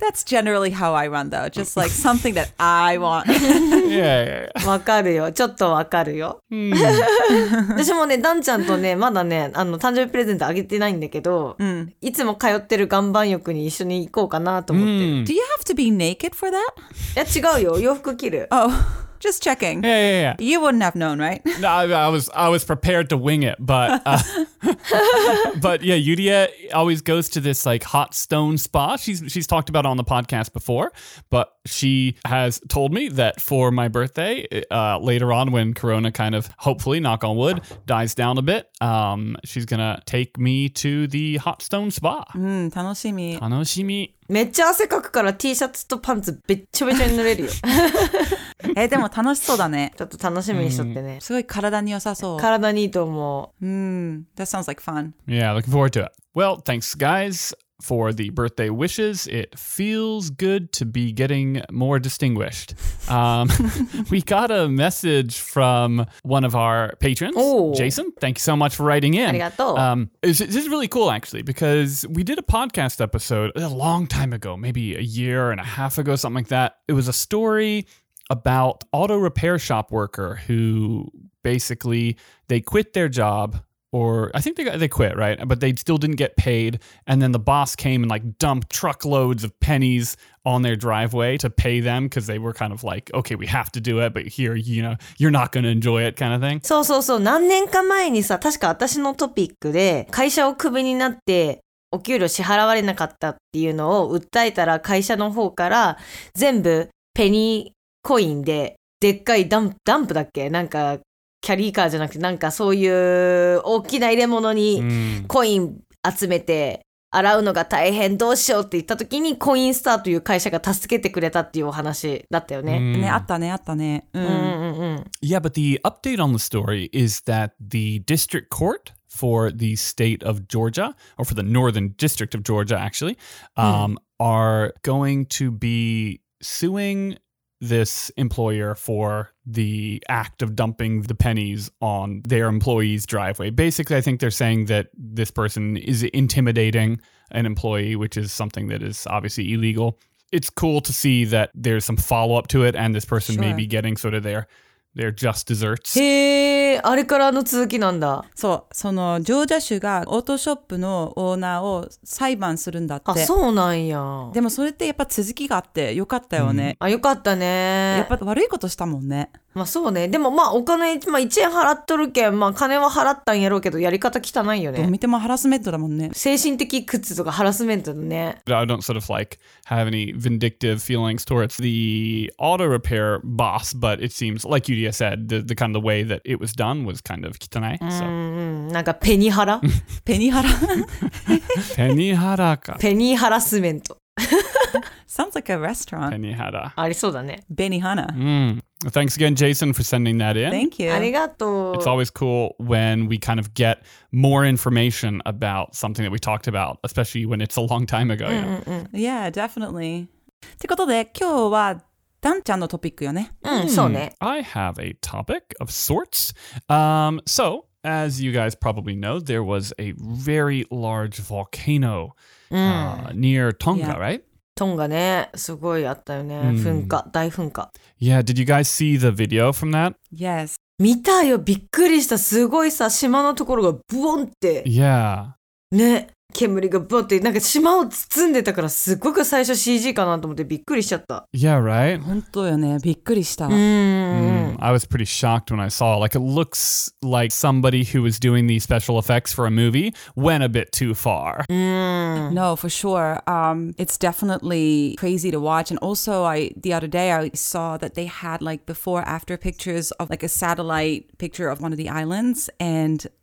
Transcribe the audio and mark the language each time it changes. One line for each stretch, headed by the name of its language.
English: That's generally how I run, though. Just like something that I want. Yeah.
Japanese: わかるよ。ちょっとわかるよ。私もね、ダンちゃんとね、まだね、あの誕生日プレゼントあげてないんだけど、いつも通ってる岩盤浴に一緒に行こうかなと思って。
English: Do you have to be naked for that?
Japanese: いや、違うよ。洋服着る。
English: Oh. Just checking. Yeah, yeah, yeah. You wouldn't have known, right? No, I was prepared to wing it, but but yeah, Yuria always goes to this like hot stone spa. She's talked about it on the podcast before, but she has told me that for my birthday, later on when Corona kind of, hopefully, knock on wood, dies down a bit, she's gonna take me to the hot stone spa.
Japanese: 楽しみ。めっちゃ汗かくから T シャツとパンツべっちょべちょに濡れるよ。でも楽しそうだね。ちょっと楽しみにしとってね。すごい体に良さそう。体にいいと思う。
English: That sounds like fun. Yeah, looking forward to it. Well, thanks guys for the birthday wishes. It feels good to be getting more distinguished. we got a message from one of our patrons, Jason. Thank you so much for writing in.
Japanese: Arigato.
English: This is really cool, actually, because we did a podcast episode a long time ago, maybe a year and a half ago, something like that. It was a story about auto repair shop worker who basically they quit their job, or I think they quit, right? But they still didn't get paid. And then the boss came and like dumped truckloads of pennies on their driveway to pay them because they were kind of like, okay, we have to do it, but here, you know, you're not going to enjoy it kind of thing.
Japanese: そうそうそう。何年か前にさ、確か私のトピックで会社をクビになってお給料支払われなかったっていうのを訴えたら会社の方から全部ペニーコインででっかいダンプだっけ?なんかキャリーカーじゃなくてなんかそういう大きな入れ物にコイン集めて洗うのが大変どうしようって言った時にコインスターという会社が助けてくれたっていうお話だったよね。ね、あったね、あったね。 Yeah, but the update on the story is that the district court for the state of Georgia, or for the northern district of Georgia, actually, are going to be suing this employer for the act of dumping the pennies on their employee's driveway. Basically, I think they're saying that this person is intimidating an employee, which is something that is obviously illegal. It's cool to see that there's some follow-up to it, and this person may be getting sort of their just desserts. へー、あれからの続きなんだ。そう、そのジョージア州がオートショップのオーナーを裁判するんだって。あ、そうなんや。でもそれってやっぱ続きがあってよかったよね。あ、よかったね。やっぱ悪いことしたもんね。まあそうね。でもまあお金、まあ1円払っとるけん、まあ金は払ったんやろうけど、やり方汚いよね。どう見てもハラスメントだもんね。精神的苦痛とかハラスメントだね。
English: But I don't sort of like have any vindictive feelings towards the auto repair boss, but it seems like you said the kind of the way that it was done was kind of kitanai.
Japanese: なんかペニハラ？ペニハラ？ペニハラか。ペニハラスメント。
English: Sounds like a restaurant.
Japanese: ペニハラ。ありそうだね。ベニハナ。
English: Thanks again, Jason, for sending that in. Thank you.
Japanese: ありがとう。
English: It's always cool when we kind of get more information about something that we talked about, especially when it's a long time ago. Yeah, definitely.
Japanese: ってことで今日はダンちゃんのトピックよね。そうね。
English: I have a topic of sorts. So, as you guys probably know, there was a very large volcano near Tonga, right?
Japanese: Tonga ね。すごいあったよね。噴火、大噴火。
English: Yeah, did you guys see the video from that? Yes.
Japanese: 見たよ。びっくりした。すごいさ、島のところがブオンって。
English: Yeah.
Japanese: ね。煙がブーってなんか島を包んでたからすごく最初 CG かなと思ってびっくりしちゃった。
English: Yeah, right?
Japanese: 本当よね。びっくりした。
English: I was pretty shocked when I saw it. Like, it looks like somebody who was doing these special effects for a movie went a bit too far. No, for sure. It's definitely crazy to watch. And also, the other day I saw that they had like before after pictures of like a satellite picture of one of the islands and...